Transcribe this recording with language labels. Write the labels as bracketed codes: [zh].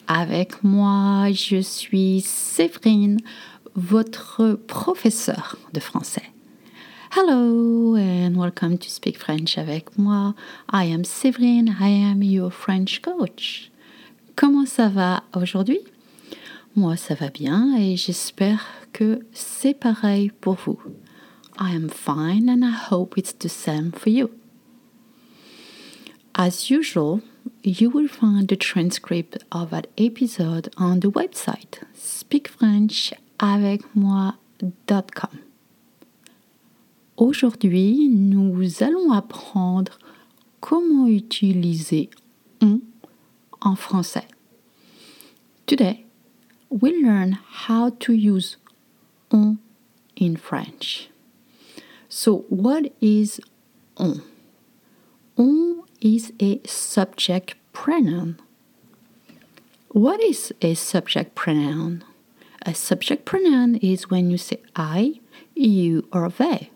[fr] Avec moi, je suis Séverine, votre professeur de français. [en] Hello and welcome to Speak French avec moi. I am Séverine, I am your French coach. [fr] Comment ça va aujourd'hui? Moi, ça va bien et j'espère que c'est pareil pour vous. [en] I am fine and I hope it's the same for you. As usual, you will find the transcript of that episode on the website speakfrenchavecmoi.com. [fr] Aujourd'hui, nous allons apprendre comment utiliser on en français. [en] Today, we'll learn how to use on in French. So, what is on? On is a subject pronoun. What is a subject pronoun? A subject pronoun is when you say I, you, or they.